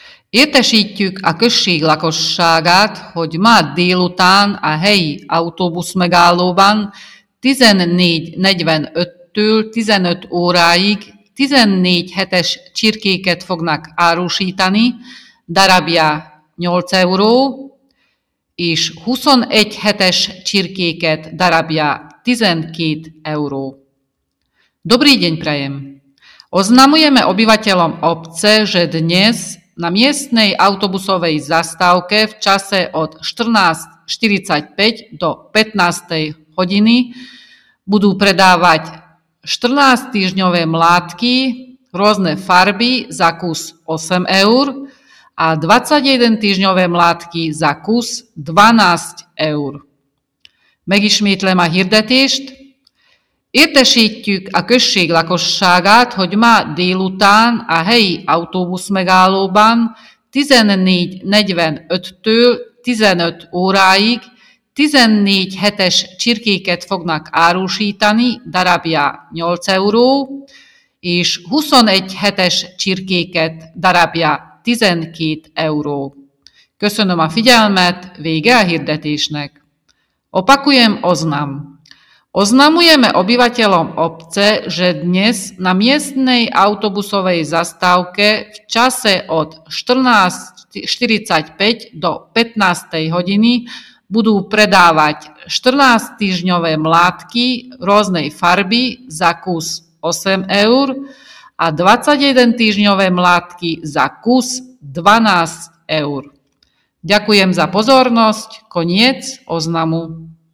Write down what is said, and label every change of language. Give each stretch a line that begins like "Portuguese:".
Hungarian: Értesítjük a község lakosságát, hogy ma délután a helyi autóbusz megállóban 14.45-től 15 óráig 14 hetes csirkéket fognak árusítani, darabja 8 euró, és 21 hetes csirkéket darabja 12 euró.
Slovak: Dobrý deň prajem! Oznamujeme obyvateľom obce, že dnes na miestnej autobusovej zastávke v čase od 14.45 do 15. hodiny budú predávať 14-týždňové mlátky, rôzne farby za kus 8 eur a 21-týždňové mlátky za kus 12 eur.
Hungarian: Megismétlem a hirdetést. Értesítjük a község lakosságát, hogy ma délután a helyi autóbusz megállóban 14.45-től 15 óráig 14 hetes csirkéket fognak árusítani, darabja 8 euró, és 21 hetes csirkéket darabja 12 euró. Köszönöm a figyelmet, vége a hirdetésnek.
Slovak: Opakujem oznam. Oznamujeme obyvateľom obce, že dnes na miestnej autobusovej zastávke v čase od 14.45 do 15. hodiny budú predávať 14-týždňové mlátky rôznej farby za kus 8 eur a 21-týždňové mlátky za kus 12 eur. Ďakujem za pozornosť. Koniec oznamu.